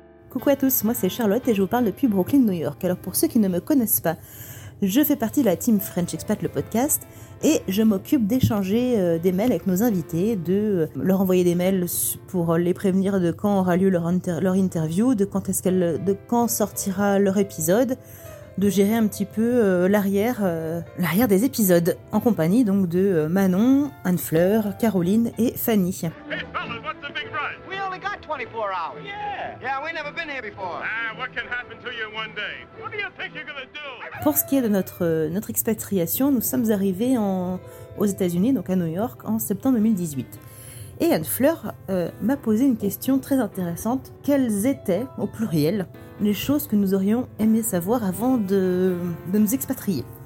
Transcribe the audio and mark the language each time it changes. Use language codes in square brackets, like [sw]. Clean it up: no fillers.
[fr] Coucou à tous, moi c'est Charlotte et je vous parle depuis Brooklyn, New York. Alors pour ceux qui ne me connaissent pas, je fais partie de la team French Expat, le podcast, et je m'occupe d'échanger des mails avec nos invités, de leur envoyer des mails pour les prévenir de quand aura lieu leur interview, de quand sortira leur épisode, de gérer un petit peu l'arrière des épisodes, en compagnie donc de Manon, Anne-Fleur, Caroline et Fanny. [en] Hey, fellas, what's the big prize? 24 hours. Yeah. Yeah, we never been here before. Ah, what can happen to you one day? What do you think you're gonna do? [fr] Pour ce qui est de notre expatriation, nous sommes arrivés aux États-Unis, donc à New York, en septembre 2018. Et Anne-Fleur m'a posé une question très intéressante. Quelles étaient, au pluriel, les choses que nous aurions aimé savoir avant de nous expatrier?